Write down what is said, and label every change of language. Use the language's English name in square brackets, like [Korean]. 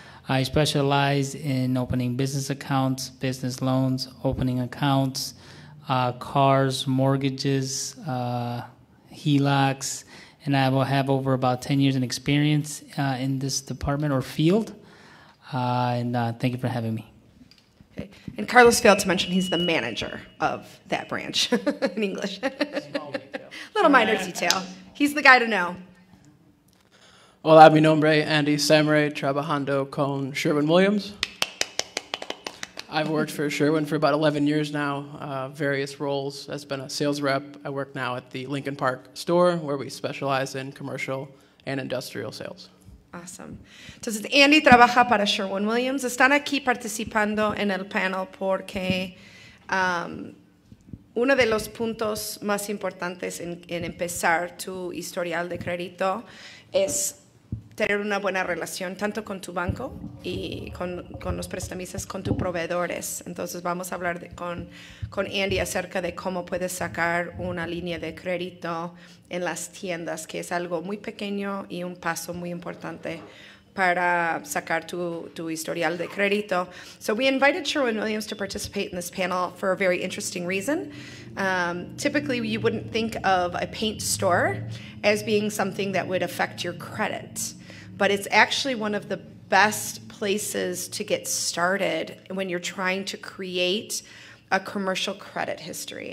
[English] I specialize in opening business accounts, business loans, opening accounts, cars, mortgages, HELOCs, and I will have over about 10 years in experience in this department or field. Thank you for having me. And Carlos failed to mention he's the manager of that branch in English. Small detail. Little minor detail. He's the guy to know. [Spanish] Hola, mi nombre es Andy Samre, trabajando con Sherwin-Williams. [English] I've worked for Sherwin for about 11 years now, various roles. I've been a sales rep. I work now at the Lincoln Park store, where we specialize in commercial and industrial sales. Awesome. [Spanish] Entonces, Andy trabaja para Sherwin-Williams. Están aquí participando en el panel porque uno de los puntos más importantes en empezar tu historial de crédito es tener una buena relación tanto con tu banco y con los prestamistas, con tus proveedores. Entonces, vamos a hablar con Andy acerca de cómo puedes sacar una línea de crédito en las tiendas, que es algo muy pequeño y un paso muy importante para sacar tu historial de crédito. [English] So we invited Sherwin-Williams to participate in this panel for a very interesting reason. Typically, you wouldn't think of a paint store as being something that would affect your credit, but it's actually one of the best places to get started when you're trying to create a commercial credit history.